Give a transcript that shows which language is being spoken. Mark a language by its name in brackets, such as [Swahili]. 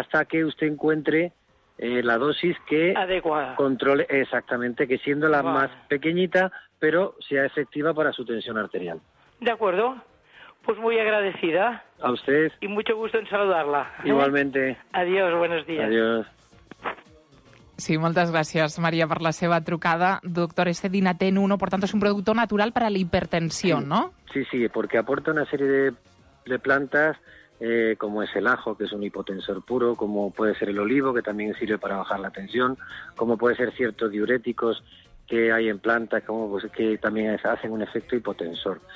[Spanish] Hasta que usted encuentre la dosis que adecuada. Controle, exactamente, que siendo la vale. más pequeñita, pero sea efectiva para su tensión arterial. De acuerdo. Pues muy agradecida. A usted. Y mucho gusto en saludarla. Igualmente. Adiós, buenos días. Adiós. [Catalan] Sí, moltes gràcies, Maria, per la seva trucada. [Spanish] Doctor, este Dinaten 1, por tanto, es un producto natural para la hipertensión, sí. ¿no? Sí, sí, porque aporta una serie de plantas, como es el ajo, que es un hipotensor puro, como puede ser el olivo, que también sirve para bajar la tensión, como puede ser ciertos diuréticos que hay en plantas, como pues, que también hacen un efecto hipotensor.